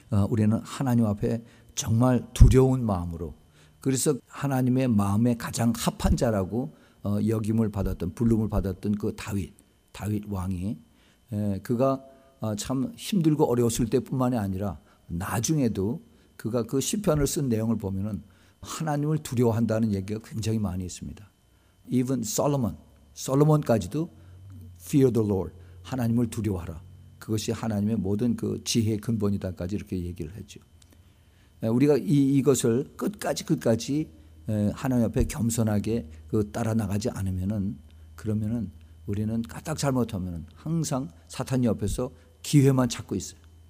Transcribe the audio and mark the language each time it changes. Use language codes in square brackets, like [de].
[ko] 우리는 하나님 앞에 정말 두려운 마음으로 그래서 하나님의 마음에 가장 합한 자라고 여김을 받았던 불름을 받았던 그 다윗 왕이 그가 참 힘들고 어려웠을 때뿐만이 아니라 나중에도 그가 그 시편을 쓴 내용을 보면은 하나님을 두려워한다는 얘기가 굉장히 많이 있습니다. [en] Even Solomon까지도 Fear the Lord, [ko] 하나님을 두려워하라. 그것이 하나님의 모든 그 지혜의 근본이다까지 이렇게 얘기를 했죠. 우리가 이것을 끝까지 하나님 앞에 겸손하게 그 따라 나가지 않으면은 그러면은 우리는 까딱 잘못하면은 항상 사탄 옆에서 기회만 찾고 있어요.